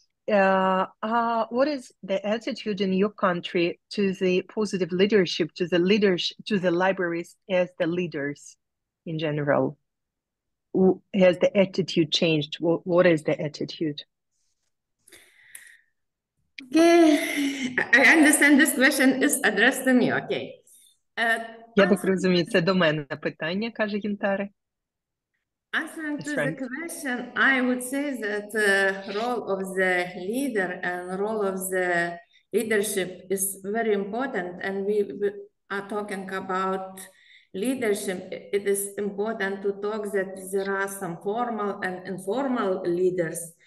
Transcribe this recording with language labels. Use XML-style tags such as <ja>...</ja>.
<en>What is the attitude in your country to the positive leadership, to the libraries as the leaders? In general, has the attitude changed? What is the attitude? Okay, I understand this question is addressed to me. Okay.</en> <uk>Я так розумію, це до мене питання, каже Гінтари.</uk> <en>Answering to the question, I would say that the role of the leader and role of the leadership is very important, and we are talking about leadership, it is important to talk that there are some formal and informal leaders.</en>